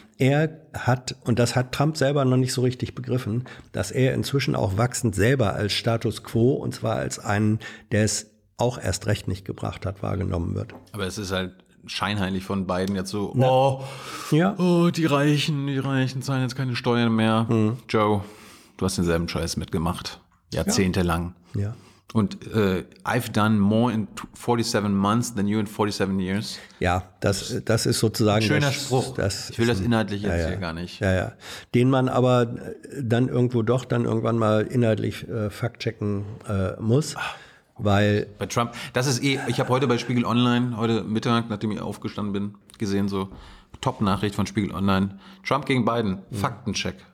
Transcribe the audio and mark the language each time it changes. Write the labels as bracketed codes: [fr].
[de] Er hat, und das hat Trump selber noch nicht so richtig begriffen, dass er inzwischen auch wachsend selber als Status quo, und zwar als einen, der es auch erst recht nicht gebracht hat, wahrgenommen wird. Aber es ist halt scheinheilig von beiden jetzt so, die Reichen zahlen jetzt keine Steuern mehr. Mhm. Joe, du hast denselben Scheiß mitgemacht, jahrzehntelang. Ja. [en] Und I've done more in 47 months than you in 47 years. [de] Ja, das ist sozusagen... Ein schöner Spruch. Ich will das inhaltlich jetzt hier gar nicht. Ja, ja. Den man aber dann irgendwo doch dann irgendwann mal inhaltlich fact-checken muss. Weil bei Trump, das ist ich habe heute bei Spiegel Online, heute Mittag, nachdem ich aufgestanden bin, gesehen, so Top-Nachricht von Spiegel Online, Trump gegen Biden, Faktencheck.